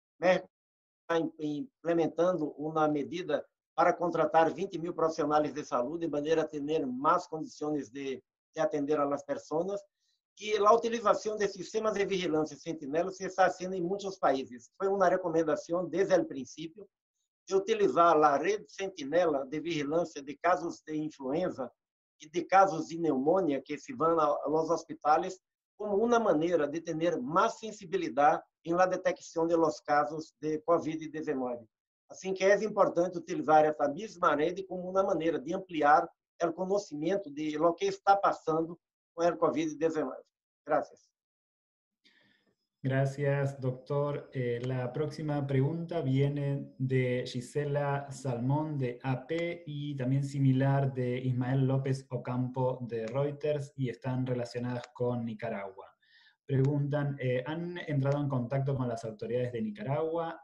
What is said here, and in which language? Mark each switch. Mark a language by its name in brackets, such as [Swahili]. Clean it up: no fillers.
[Spanish] México está implementando una medida para contratar 20.000 profesionales de salud de manera a tener más condiciones de atender a las personas. Y la utilización de sistemas de vigilancia sentinela se está haciendo en muchos países. Fue una recomendación desde el principio de utilizar la red sentinela de vigilancia de casos de influenza [Portuguese] e de casos de pneumonia que se vão aos hospitais como uma maneira de ter mais sensibilidade em la detecção de los casos de COVID-19. Assim que é importante utilizar essa mesma rede como uma maneira de ampliar o conhecimento de lo que está passando com o COVID-19. [Spanish] Gracias. Gracias, doctor. La próxima pregunta viene de Gisela Salmón de AP y también similar de Ismael López Ocampo de Reuters y están relacionadas con Nicaragua. Preguntan, ¿han entrado en contacto con las autoridades de Nicaragua?